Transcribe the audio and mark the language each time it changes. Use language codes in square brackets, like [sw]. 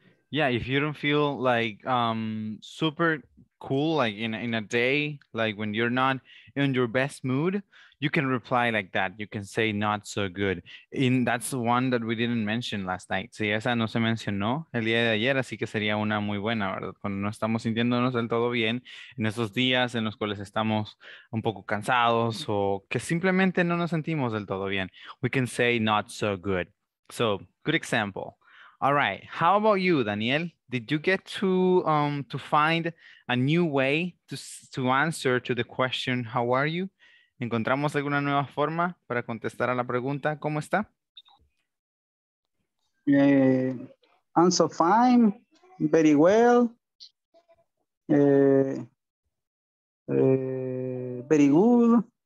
[en] Yeah, if you don't feel like super cool, like in a day, like when you're not in your best mood, you can reply like that. You can say not so good. In that's one that we didn't mention last night. [es] Sí, esa no se mencionó el día de ayer, así que sería una muy buena, ¿verdad? Cuando no estamos sintiéndonos del todo bien, en esos días en los cuales estamos un poco cansados o que simplemente no nos sentimos del todo bien, [en] we can say not so good. So, good example. All right, how about you, Daniel? Did you get to find a new way to answer to the question, how are you? [es] ¿Encontramos alguna nueva forma para contestar a la pregunta, cómo está? [en] I'm so fine, very well. Very good.